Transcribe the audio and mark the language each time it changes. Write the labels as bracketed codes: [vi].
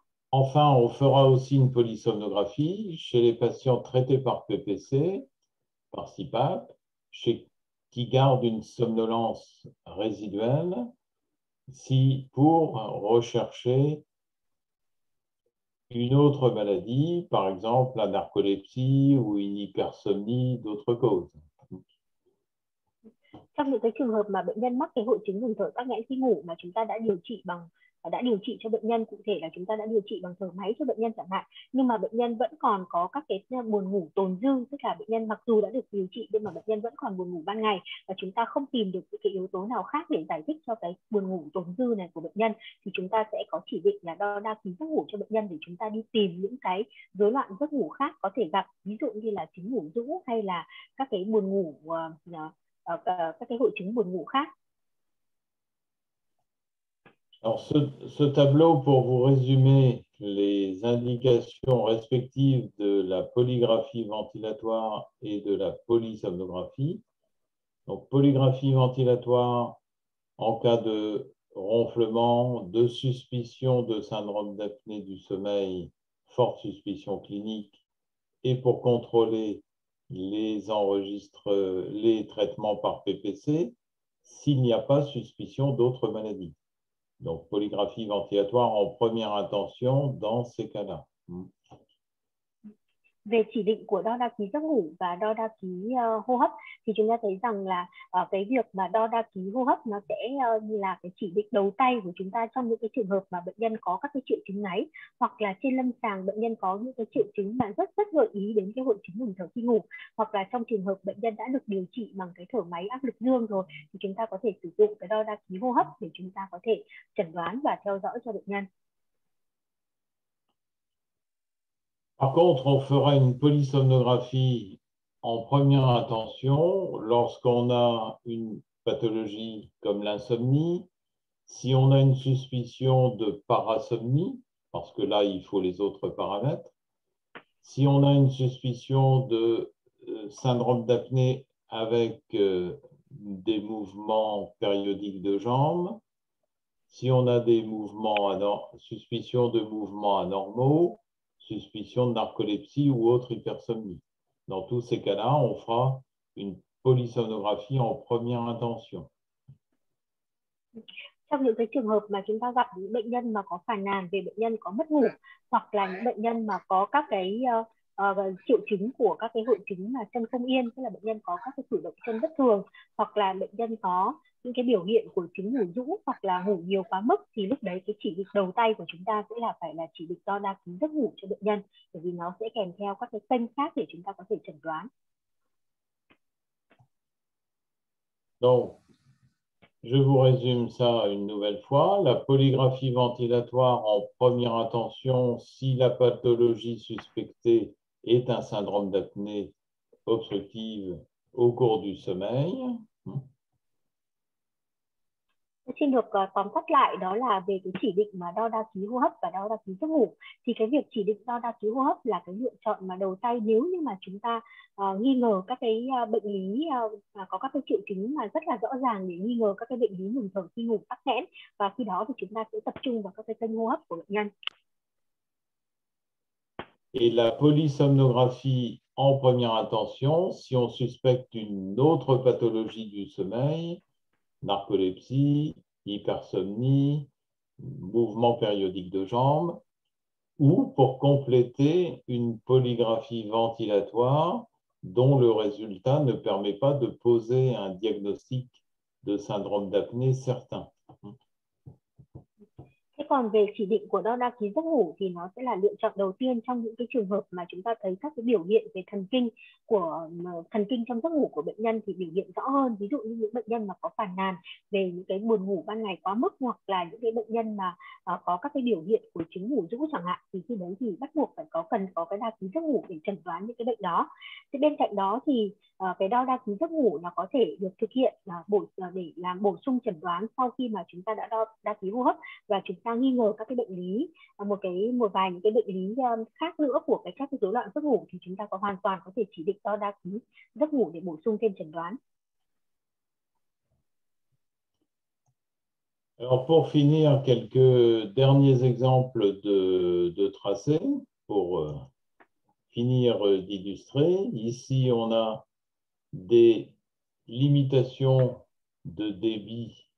[fr] Enfin, on fera aussi une polysomnographie chez les patients traités par PPC, par CPAP, qui gardent une somnolence résiduelle, pour rechercher une autre maladie, par exemple la narcolepsie ou une hypersomnie d'autres causes. [vi] Trong những cái trường hợp mà bệnh nhân mắc cái hội chứng ngừng thở tắc nghẽn khi ngủ mà chúng ta đã điều trị cho bệnh nhân, cụ thể là chúng ta đã điều trị bằng thở máy cho bệnh nhân chẳng hạn, nhưng mà bệnh nhân vẫn còn có các cái buồn ngủ tồn dư, tức là bệnh nhân mặc dù đã được điều trị nhưng mà bệnh nhân vẫn còn buồn ngủ ban ngày và chúng ta không tìm được cái yếu tố nào khác để giải thích cho cái buồn ngủ tồn dư này của bệnh nhân thì chúng ta sẽ có chỉ định là đo đa khí giấc ngủ cho bệnh nhân để chúng ta đi tìm những cái rối loạn giấc ngủ khác có thể gặp, ví dụ như là chứng ngủ rũ hay là các cái buồn ngủ các cái hội chứng buồn ngủ khác. [fr] Alors ce tableau, pour vous résumer les indications respectives de la polygraphie ventilatoire et de la polysomnographie. Donc polygraphie ventilatoire en cas de ronflement, de suspicion de syndrome d'apnée du sommeil, forte suspicion clinique, et pour contrôler les traitements par PPC s'il n'y a pas suspicion d'autres maladies. Donc, polygraphie ventilatoire en première intention dans ces cas-là. [vi] Về chỉ định của đo đa khí giấc ngủ và đo đa khí hô hấp thì chúng ta thấy rằng là cái việc mà đo đa khí hô hấp nó sẽ là cái chỉ định đầu tay của chúng ta trong những cái trường hợp mà bệnh nhân có các cái triệu chứng ngáy hoặc là trên lâm sàng bệnh nhân có những cái triệu chứng mà rất gợi ý đến cái hội chứng ngừng thở khi ngủ hoặc là trong trường hợp bệnh nhân đã được điều trị bằng cái thở máy áp lực dương rồi thì chúng ta có thể sử dụng cái đo đa khí hô hấp để chúng ta có thể chẩn đoán và theo dõi cho bệnh nhân. [fr] Par contre, on fera une polysomnographie en première intention lorsqu'on a une pathologie comme l'insomnie, si on a une suspicion de parasomnie, parce que là, il faut les autres paramètres, si on a une suspicion de syndrome d'apnée avec des mouvements périodiques de jambes, si on a des suspicions de mouvements anormaux, suspicion de narcolepsie ou autre hypersomnie. Dans tous ces cas-là, on fera une polysomnographie en première intention. [vi] Trong những cái trường hợp mà chúng ta gặp những bệnh nhân mà có phàn nàn về bệnh nhân có mất ngủ hoặc là những bệnh nhân mà có các cái triệu chứng của các cái hội chứng mà chân không yên, tức là bệnh nhân có các cái cử động chân bất thường hoặc là bệnh nhân có những cái biểu hiện của chứng ngủ rũ hoặc là ngủ nhiều quá mức thì lúc đấy cái chỉ định đầu tay của chúng ta sẽ là phải là chỉ định đo đa khí giấc ngủ cho bệnh nhân bởi vì nó sẽ kèm theo các cái kênh khác để chúng ta có thể chẩn đoán. [fr] Donc, je vous résume ça une nouvelle fois. La polygraphie ventilatoire en première intention si la pathologie suspectée est un syndrome d'apnée obstructive au cours du sommeil. [vi] Xin được tóm tắt lại đó là về cái chỉ định mà đo đa ký hô hấp và đo đa ký giấc ngủ. Thì cái việc chỉ định đo đa ký hô hấp là cái lựa chọn mà đầu tay nếu như mà chúng ta nghi ngờ các cái bệnh lý có các cái triệu chứng mà rất là rõ ràng để nghi ngờ các cái bệnh lý ngừng thở khi ngủ tắc nghẽn, và khi đó thì chúng ta sẽ tập trung vào các cái kênh hô hấp của bệnh nhân. [fr] Et la polysomnographie en première attention si on suspecte une autre pathologie du sommeil, narcolepsie, hypersomnie, mouvement périodique de jambes, ou pour compléter une polygraphie ventilatoire dont le résultat ne permet pas de poser un diagnostic de syndrome d'apnée certain. [vi] Còn về chỉ định của đo đa ký giấc ngủ thì nó sẽ là lựa chọn đầu tiên trong những cái trường hợp mà chúng ta thấy các cái biểu hiện về thần kinh của thần kinh trong giấc ngủ của bệnh nhân thì biểu hiện rõ hơn, ví dụ như những bệnh nhân mà có phàn nàn về những cái buồn ngủ ban ngày quá mức, hoặc là những cái bệnh nhân mà có các cái biểu hiện của chứng ngủ rũ chẳng hạn, thì khi đấy thì bắt buộc phải cần có cái đa ký giấc ngủ để chẩn đoán những cái bệnh đó. Thì bên cạnh đó thì cái đo đa ký giấc ngủ nó có thể được thực hiện để làm bổ sung chẩn đoán sau khi mà chúng ta đã đo đa ký hô hấp và chúng ta nghi ngờ các cái bệnh lý một vài những cái bệnh lý khác nữa của cái các cái rối loạn giấc ngủ, thì chúng ta có hoàn toàn có thể chỉ định đo đa ký giấc ngủ để bổ sung thêm chẩn đoán. [fr] Alors pour finir quelques derniers exemples de tracés pour finir d'illustrer. Ici on a des limitations de débit.